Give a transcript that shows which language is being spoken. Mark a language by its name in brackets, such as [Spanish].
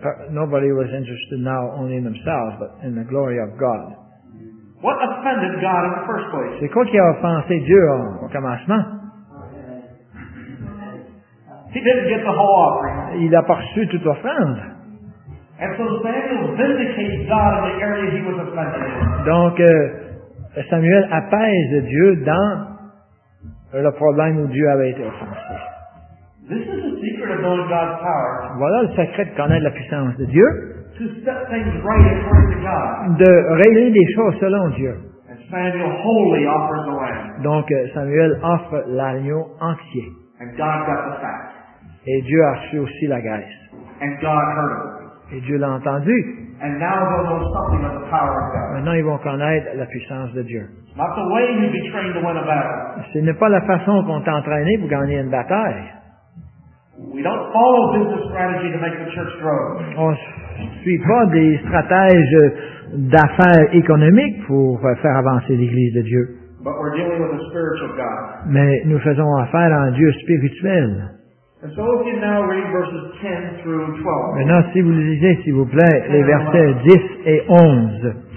[English] Nobody was interested now only in themselves, but in the glory of God. What offended God in the first place? [French] C'est quoi qui a offensé Dieu au commencement? [English] He didn't get the whole offering. [French] Il a pas reçu toute l'offrande. [English] And so Samuel vindicates God in the area he was offended. [French] Donc, Samuel apaise Dieu dans le problème où Dieu avait été offensé. [English] This is the secret of knowing God's power. [French] Voilà le secret de connaître la puissance de Dieu. [English] To set things right according to God. [French] De régler les choses selon Dieu. [English] And Samuel wholly offers the lamb. [French] Donc Samuel offre l'agneau entier. [English] And God got the fat. [French] Et Dieu a reçu aussi la graisse. [English] And God heard it. [French] Et Dieu l'a entendu. [English] And now they'll know something of the power of God. [French] Maintenant ils vont connaître la puissance de Dieu. [English] Not the way you'd be trained to win a battle. [French] Ce n'est pas la façon qu'on t'entraîne pour gagner une bataille. [English] We don't follow business strategy to make the church grow. [French] On ne suit pas des stratèges d'affaires économiques pour faire avancer l'Église de Dieu. [English] But we're dealing with the spiritual God. [French] Mais nous faisons affaire à un Dieu spirituel. [English] And so if you now read verses 10 through 12. [French] Maintenant, si vous lisez, s'il vous plaît, les versets 10 et 11.